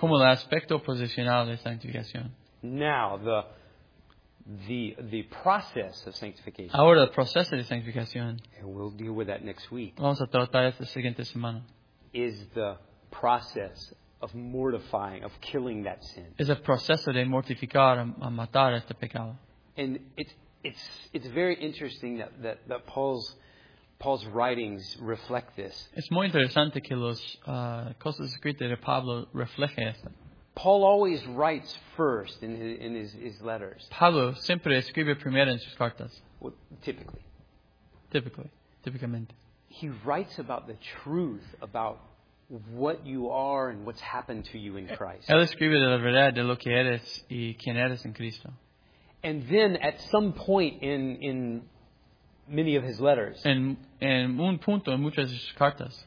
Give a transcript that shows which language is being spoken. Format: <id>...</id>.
<es>Como el aspecto posicional de santificación.</es> <en>Now the process of sanctification.</en> <es>Ahora el proceso de santificación.</es> <en>And we'll deal with that next week.</en> <es>Vamos a tratar esta siguiente semana.</es> <en>Is the process of mortifying, of killing that sin.</en> <es>Es el proceso de mortificar a matar este pecado.</es> <en>And it's very interesting that Paul's writings reflect this.</en> <es>Es muy interesante que los cosas escritas de Pablo reflejen esto.</es> <en>Paul always writes first in his letters.</en> <es>Pablo siempre escribe primero en sus cartas.</es> <en>Well, typically. Typically.</en> <es>Typicamente.</es> <en>He writes about the truth about what you are and what's happened to you in Christ.</en> <es>Él escribe de la verdad de lo que eres y quién eres en Cristo.</es> <en>And then at some point in many of his letters.</en> <es>En un punto en muchas de sus cartas.</es>